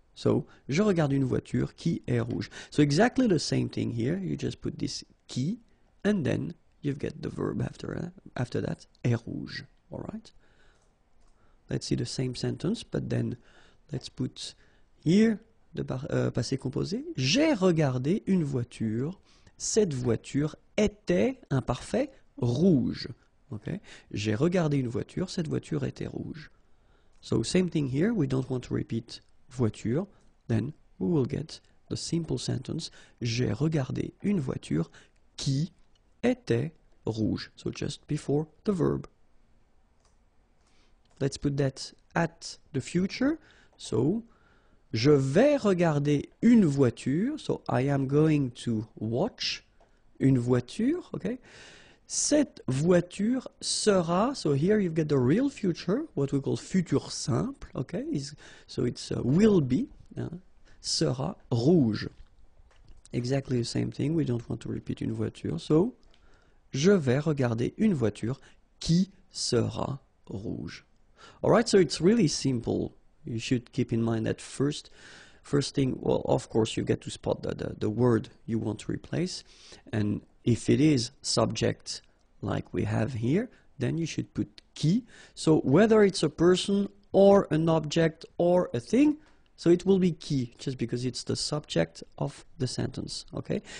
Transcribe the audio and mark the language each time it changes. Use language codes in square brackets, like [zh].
[fr] So, je regarde une voiture qui est rouge. [en] So exactly the same thing here. You just put this qui, and then you've got the verb after that, [fr] est rouge. [en] All right. Let's see the same sentence, but then let's put here the passé composé. [fr] J'ai regardé une voiture. Cette voiture était imparfait rouge. Okay. J'ai regardé une voiture. Cette voiture était rouge. [en] So same thing here. We don't want to repeat voiture. Then we will get the simple sentence. [fr] J'ai regardé une voiture qui était rouge. [en] So just before the verb. Let's put that at the future. So, [fr] je vais regarder une voiture. [en] So I am going to watch [fr] une voiture. Okay. Cette voiture sera. [en] So here you've got the real future, what we call futur simple. Okay. So it's will be. [fr] Sera rouge. [en] Exactly the same thing. We don't want to repeat [fr] une voiture. So, je vais regarder une voiture qui sera rouge. [en] All right, so it's really simple. You should keep in mind that first thing, well, of course, you get to spot the word you want to replace. And if it is subject like we have here, then you should put qui. So, whether it's a person or an object or a thing, so it will be qui, just because it's the subject of the sentence, okay?